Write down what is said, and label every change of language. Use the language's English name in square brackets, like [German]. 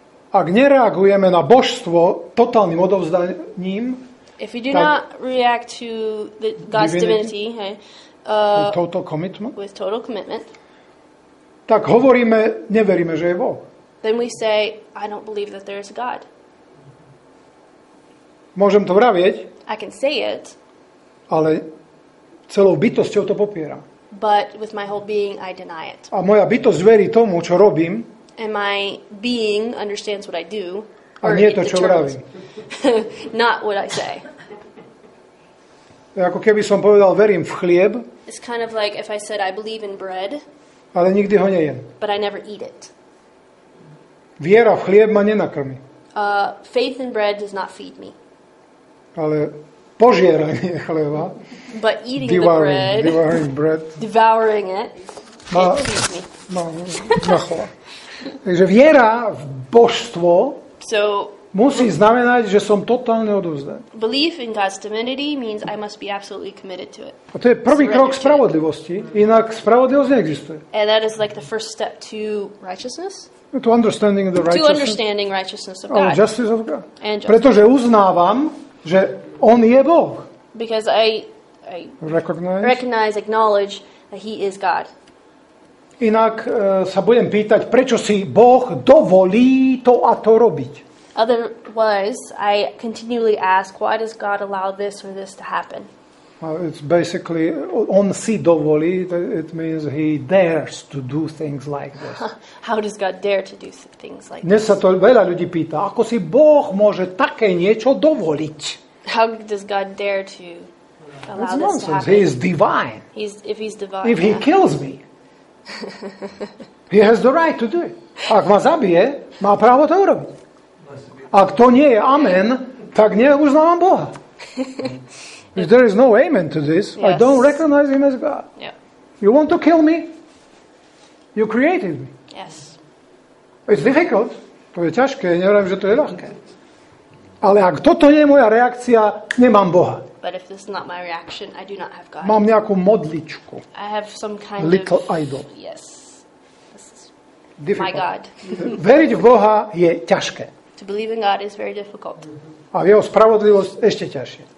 [Slovak] Ak nereagujeme na božstvo totálnym odovzdaním, [English] if we do not react to the God's divinity, hey, with total commitment, with total commitment, [Slovak] tak hovoríme, neveríme, že je Boh. [English] Then we say, I don't believe that there is a God. [Slovak] Môžem to vravieť. [English] I can say it. [Slovak] Ale celou bytosťou to popieram. [English] But with my whole being, I deny it. [Slovak] A moja bytosť verí tomu, čo robím. [English] And my being understands what I do. [Slovak] A nie to, čo vravím. [English] Not what I say. [Slovak] Ako keby som povedal, verím v chlieb. [English] It's kind of like if I said I believe in bread. [Slovak] Ale nikdy ho nejem. [English] But I never eat it. [Slovak] Viera v chlieb ma nenakrmi. [English] Faith in bread does not feed me. [Slovak] Ale požieranie chleba. [English] But eating devouring, the bread. Devouring bread. Devouring it. [Slovak] Ma, [English] it feeds me. [Slovak] Na chleba. Takže viera v božstvo [English] so [Slovak] musí znamenať, že som totálne odovzdaný. [English] Belief in God's divinity means I must be absolutely committed to it. [Slovak] A to je prvý krok spravodlivosti, inak spravodlivosť neexistuje. [English] And that is like the first step to righteousness. To understanding the righteousness. To understanding righteousness of God. Oh, justice of God. And justice. [Slovak] Pretože uznávam, že on je Boh. [English] Because I recognize, acknowledge that he is God. [Slovak] Inak sa budem pýtať, prečo si Boh dovolí to a to robiť. [English] Otherwise, I continually ask, why does God allow this or this to happen? It's basically, [Slovak] on si dovolí, [English] it means he dares to do things like this. How does God dare to do things like this? [Slovak] Dnes sa to veľa ľudí pýta, ako si Boh môže také niečo dovoliť? [English] How does God dare to allow this to happen? It's nonsense, he is divine. If he kills me, he has the right to do it. [Slovak] Ak ma zabije, má právo to urobiť. Ak to nie je amen, tak neuznávam Boha. [English] If there is no amen to this, yes. I don't recognize him as God. Yeah. You want to kill me? You created me. Yes. It's difficult. [Slovak] To je ťažké. Neviem, že to je ľahké. Ale ak toto nie je moja reakcia, nemám Boha. [English] But if this is not my reaction, I do not have God. [Slovak] Mám nejakú modličku. [English] I have some kind little of... idol. Yes. This is my God. [Slovak] Veriť v Boha je ťažké. [English] To believe in God is very difficult. [Slovak] A jeho spravodlivosť ešte ťažšie.